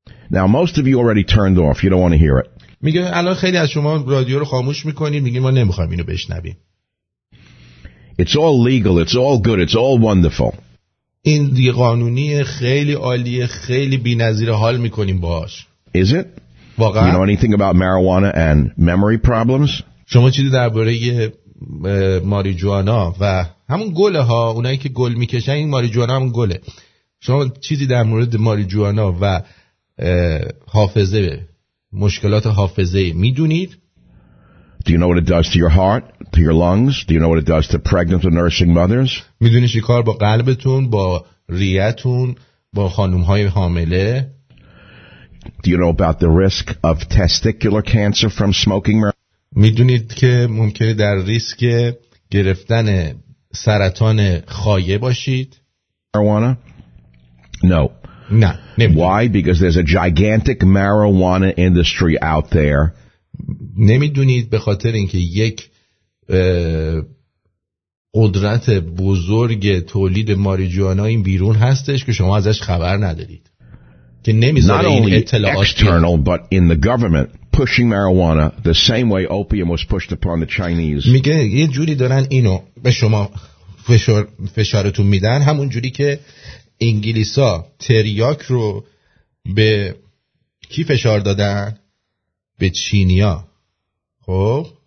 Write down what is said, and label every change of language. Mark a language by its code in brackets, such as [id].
[en] Now most of you already turned off. You don't want to hear it. [fa] میگه الان خیلی از شما رادیو رو خاموش میکنید. میگه ما نمیخوایم اینو بشنویم. [en] It's all legal. It's all good. It's all wonderful. [fa] این دیگه قانونیه, خیلی عالیه, خیلی بی‌نظیر حال میکنیم باهاش. [en] Is it? [fa] واقعا. [en] You know anything about marijuana and memory problems? [fa] شما چیزی درباره ماریجوانا و همون گله ها, اونایی که گل میکشن, این ماریجوانا هم گله. شما چیزی در مورد ماریجوانا و حافظه, مشکلات حافظه میدونید؟ [en] Do you know what it does to your heart, to your lungs? Do you know what it does to pregnant and nursing mothers? [fa] میدونی چی کار با قلبتون, با ریه‌تون, با خانم‌های حامله؟ [en] Do you know about the risk of testicular cancer from smoking? [fa] میدونید که ممکنه در ریسک گرفتن سرطان خایه باشید؟ [en] Marijuana? No. [fa] نه. [en] Why? Because there's a gigantic marijuana industry out there. [fa] نمیدونید به خاطر اینکه یک قدرت بزرگ تولید ماریجوانا این بیرون هستش که شما ازش خبر ندارید. که نمیذاره این اطلاعات [en] external but in the government pushing marijuana the same way opium was pushed upon the Chinese. [fa] میگه یه جوری دارن اینو به شما فشارتون میدن, همون جوری که انگلیسا تریاک رو به کی فشار دادن؟ به چینیا. خب